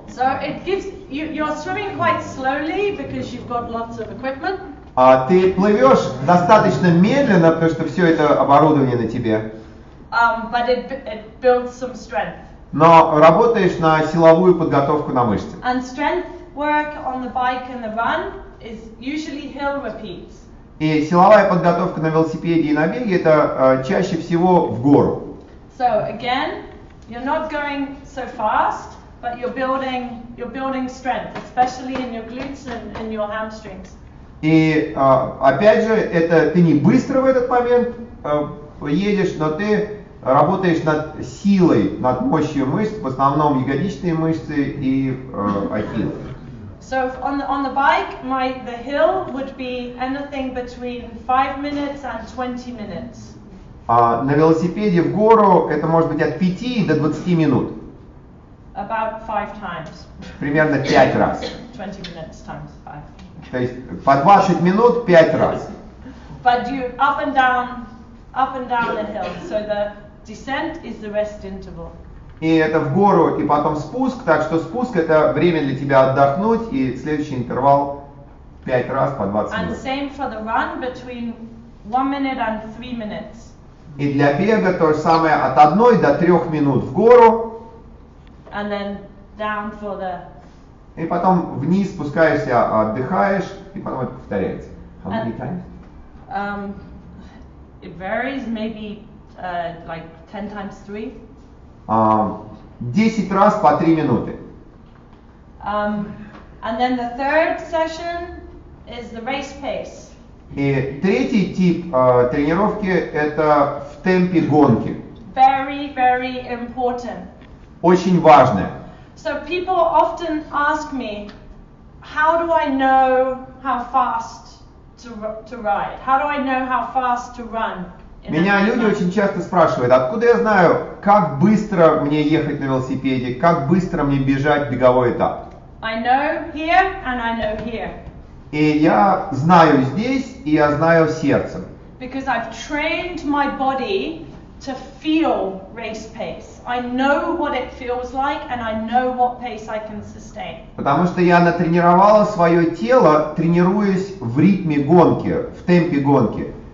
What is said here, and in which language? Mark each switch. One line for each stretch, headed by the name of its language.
English: So it gives you're swimming quite slowly because you've got lots of equipment.
Russian: Ты плывешь достаточно медленно, потому что все это оборудование на тебе.
English: But it builds some strength.
Russian: Но работаешь на силовую подготовку на мышцы.
English: And strength work on the bike and the run is usually hill repeats.
Russian: И силовая подготовка на велосипеде и на беге это чаще всего в гору.
English: So again, you're not going so fast, but you're building strength, especially in your glutes and your hamstrings.
Russian: И опять же, это ты не быстро в этот момент едешь, но ты работаешь над силой, над мощью мышц, в основном ягодичные мышцы и ахилл.
English: So on the bike, the hill would be anything between 5 minutes and 20 minutes.
Russian: На велосипеде в гору это может быть от 5 до 20 минут.
English: About 5 times.
Russian: Примерно 5 раз.
English: 20 minutes times 5.
Russian: То есть по 20 минут 5 раз.
English: But you up and down the hill, so the descent is the rest interval.
Russian: И это в гору, и потом спуск, так что спуск это время для тебя отдохнуть, и следующий интервал 5 раз по 20
English: and
Russian: минут.
English: And same for the run between 1 minute and 3 minutes.
Russian: И для бега то же самое от 1 до 3 минут в гору.
English: And then down for the
Russian: и потом вниз спускаешься, отдыхаешь, и потом это повторяется.
English: How many times? It varies, maybe like 10 times 3.
Russian: 10 раз по 3 минуты.
English: And then the third session is the race pace.
Russian: И третий тип тренировки это в темпе гонки.
English: Very, very important.
Russian: Очень важное.
English: So people often ask me, how do I know how fast to ride? How do I know how fast to run?
Russian: Меня люди очень часто спрашивают, откуда я знаю, как быстро мне ехать на велосипеде, как быстро мне бежать беговой этап?
English: I know here and I know here.
Russian: И я знаю здесь, и я знаю сердцем.
English: Because I've trained my body to feel race pace. I know what it feels like and I know what pace I can sustain.
Russian: Потому что я натренировала свое тело, тренируясь в ритме гонки, в темпе гонки.